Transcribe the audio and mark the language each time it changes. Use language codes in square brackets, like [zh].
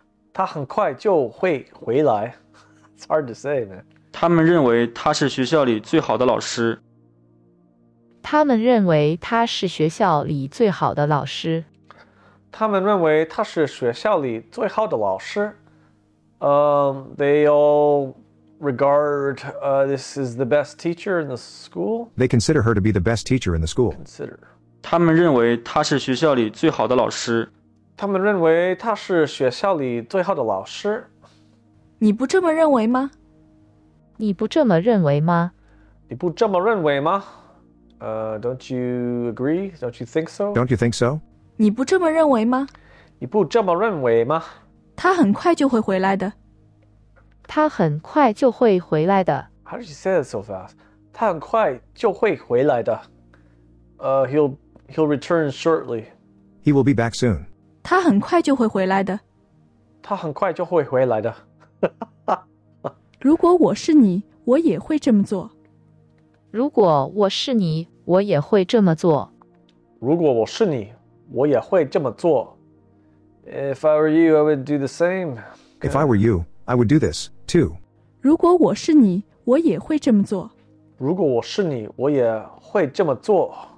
[zh] 他很快就会回来。 [en] It's hard to say, man. [zh] 他们认为他是学校里最好的老师。他们认为他是学校里最好的老师。他们认为他是学校里最好的老师。 [en] They all regard this is the best teacher in the school. They consider her to be the best teacher in the school. Consider. [zh] 他们认为她是学校里最好的老师。他们认为她是学校里最好的老师。你不这么认为吗？你不这么认为吗？你不这么认为吗？ [en] Don't you agree? Don't you think so? Don't you think so? [zh] 你不这么认为吗？你不这么认为吗？他很快就会回来的。他很快就会回来的。 [en] How did you say that so fast? [zh] 他很快就会回来的。 [en] He'll return shortly. He will be back soon. [zh] 他很快就会回来的。他很快就会回来的。如果我是你，我也会这么做。如果我是你，我也会这么做。如果我是你，我也会这么做。 [en] If I were you, I would do the same. Okay. If I were you, I would do this, too. [zh] 如果我是你，我也会这么做。如果我是你，我也会这么做。